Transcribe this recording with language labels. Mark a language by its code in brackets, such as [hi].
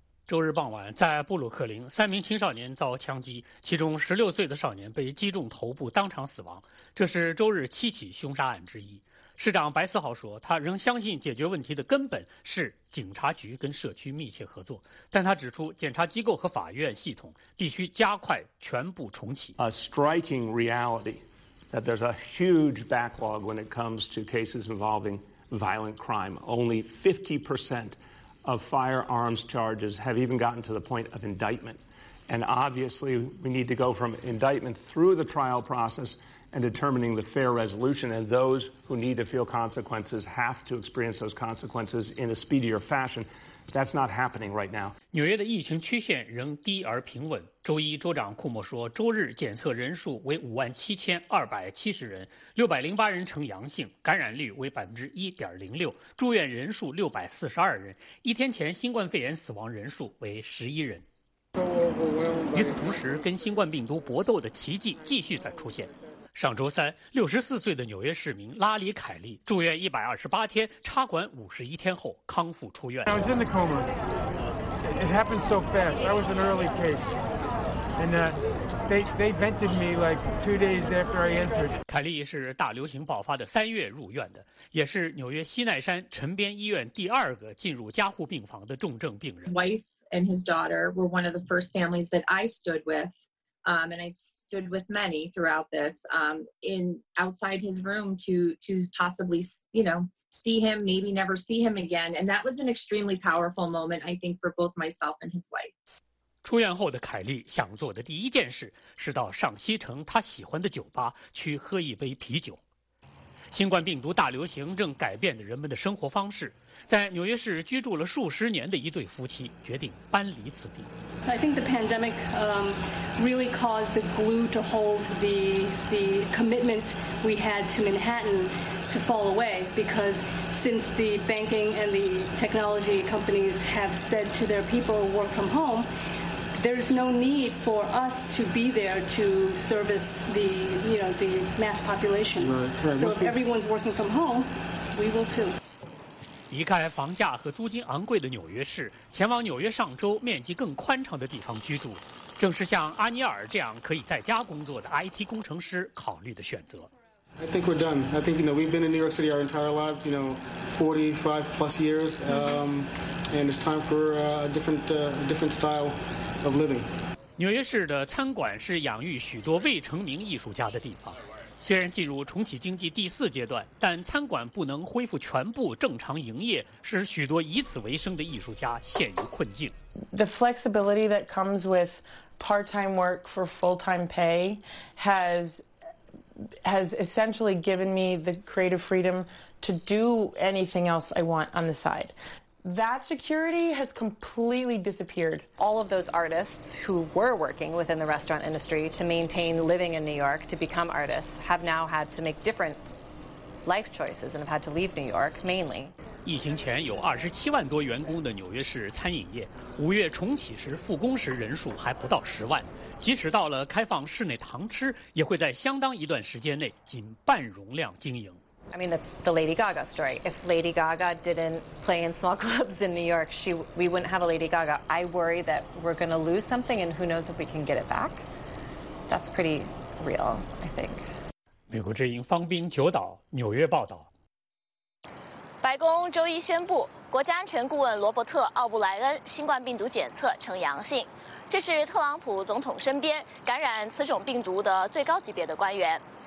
[zh] 周日傍晚，在布鲁克林，3名青少年遭枪击，其中16岁的少年被击中头部，当场死亡。这是周日7起凶杀案之一。市长白思豪说，他仍相信解决问题的根本是警察局跟社区密切合作，但他指出，检察机构和法院系统必须加快全部重启。 [en] A striking reality that there's a huge backlog when it comes to cases involving violent crime. Only 50%of firearms charges have even gotten to the point of indictment. And obviously, we need to go from indictment through the trial process and determining the fair resolution. And those who need to feel consequences have to experience those consequences in a speedier fashion. That's not happening right now. [zh] 纽约的疫情曲线仍低而平稳。周一，州长库莫说，周日检测人数为57270人，608人呈阳性，感染率为1.06%，住院人数642人。一天前，新冠肺炎死亡人数为11人。与此同时，跟新冠病毒搏斗的奇迹继续在出现。上周三，64岁的纽约市民拉里·凯利住院128天，插管51天后康复出院。 [en] I was in the coma. It happened so fast. I was an early case. And they vented me like 2 days after I entered. [zh] 凯利是大流行爆发的3月入院的，也是纽约西奈山陈边医院第二个进入加护病房的重症病人。 [en] Wife and his daughter were one of the first families that I stood with. And I've stood with many throughout this, in outside his room to possibly, you know, see him, maybe never see him again. And that was an extremely powerful moment, I think, for both myself and his wife. [zh] 出院后的凯莉想做的第一件事是到上西城他喜欢的酒吧去喝一杯啤酒。新冠病毒大流行正改变着人们的生活方式。在纽约市居住了数十年的一对夫妻决定搬离此地。 [en] So I think the pandemic really caused the glue to hold the commitment we had to Manhattan to fall away, because since the banking and the technology companies have said to their people work from home, there's no need for us to be there to service the, you know, the mass population. Right. So if everyone's working from home, we will too. [zh] 离开房价和租金昂贵的纽约市，前往纽约上州面积更宽敞的地方居住，正是像阿尼尔这样可以在家工作的 IT 工程师考虑的选择。 [en] I think we're done. I think, you know, we've been in New York City our entire lives, you know, 45 plus years, and it's time for a different style of living. [zh] 纽约市的餐馆是养育许多未成名艺术家的地方。虽然进入重启经济第四阶段，但餐馆不能恢复全部正常营业，使许多以此为生的艺术家陷于困境。 [en] The flexibility that comes with part-time work for full-time pay has essentially given me the creative freedom to do anything else I want on the side. That security has completely disappeared. All of those artists who were working within the restaurant industry to maintain living in New York to become artists have now had to make different life choices and have had to leave New York mainly. [zh] 疫情前有27万多员工的纽约市餐饮业，五月重启时复工时人数还不到10万。即使到了开放室内堂吃，也会在相当一段时间内仅半容量经营。 [en] I mean, that's the Lady Gaga story. If Lady Gaga didn't play in small clubs in New York, we wouldn't have a Lady Gaga. I worry that we're going to lose something, and who knows if we can get it back. That's pretty real, I think. [zh] 美国之音方冰九岛纽约报道。白宫周一宣布，国家安全顾问罗伯特·奥布莱恩新冠病毒检测呈阳性，这是特朗普总统身边感染此种病毒的最高级别的官员。